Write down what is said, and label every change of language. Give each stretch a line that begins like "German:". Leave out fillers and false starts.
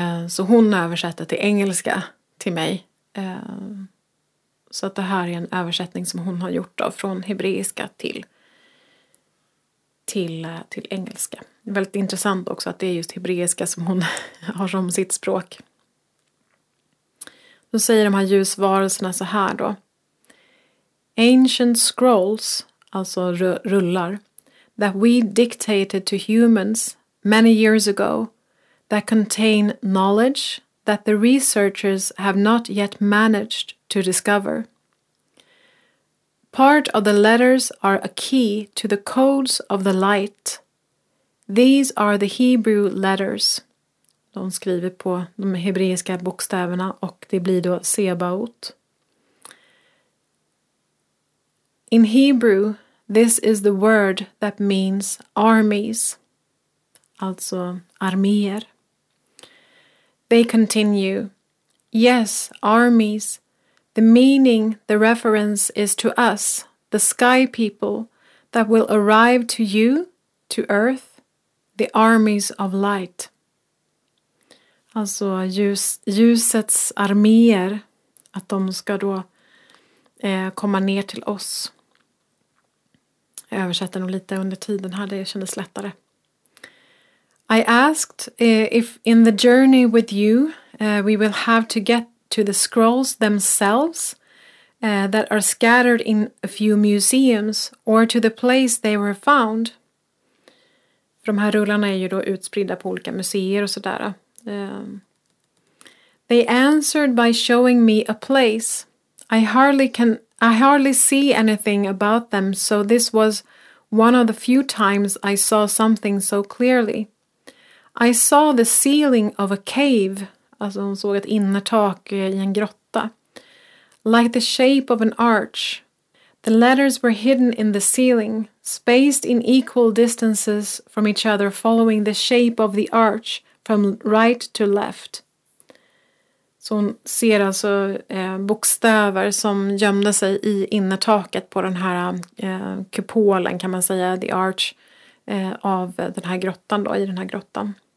Swedish: Så hon översätter till engelska till mig. Så att det här är en översättning som hon har gjort då, från hebreiska till till engelska. Det är väldigt intressant också att det är just hebreiska som hon har som sitt språk. Då säger de här ljusvarelserna så här då.
English: Ancient scrolls,
Swedish: alltså rullar,
English: that we dictated to humans many years ago, that contain knowledge that the researchers have not yet managed to discover. Part of the letters are a key to the codes of the light. These are the Hebrew letters.
Swedish: De skriver på de hebreiska bokstäverna och det blir då Sebaot.
English: In Hebrew, this is the word that means armies.
Swedish: Alltså arméer.
English: They continue. Yes, armies. The meaning, the reference is to us, the sky people, that will arrive to you, to earth, the armies of light.
Swedish: Alltså ljusets arméer, att de ska då komma ner till oss. Jag översätter nog lite under tiden här, det kändes lättare.
English: I asked if in the journey with you we will have to get to the scrolls themselves that are scattered in a few museums or to the place they were found.
Swedish: De här rullarna är ju då utspridda på olika museer och sådär.
English: They answered by showing me a place. I hardly see anything about them, so this was one of the few times I saw something so clearly. I saw the ceiling of a cave.
Swedish: Alltså hon såg ett innertak i en grotta.
English: Like the shape of an arch. The letters were hidden in the ceiling, spaced in equal distances from each other, following the shape of the arch from right to left.
Swedish: Så hon ser alltså bokstäver som gömde sig i innertaket på den här kupolen, kan man säga,
English: the arch
Swedish: av den här grottan då, i den här grottan.